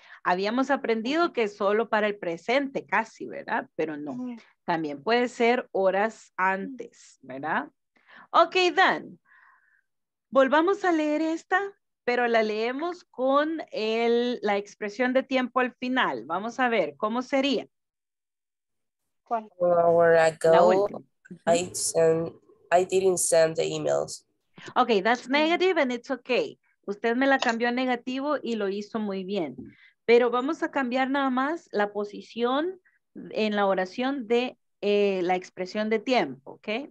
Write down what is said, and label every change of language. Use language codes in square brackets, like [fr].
[es] Habíamos aprendido que solo para el presente casi, ¿verdad? Pero no, también puede ser horas antes, ¿verdad? Ok, Dan, volvamos a leer esta, pero la leemos con la expresión de tiempo al final. Vamos a ver, ¿cómo sería? [en] An hour ago, I didn't send the emails. Okay, that's negative and it's okay. [es] Usted me la cambió a negativo y lo hizo muy bien. Pero vamos a cambiar nada más la posición en la oración de la expresión de tiempo, okay?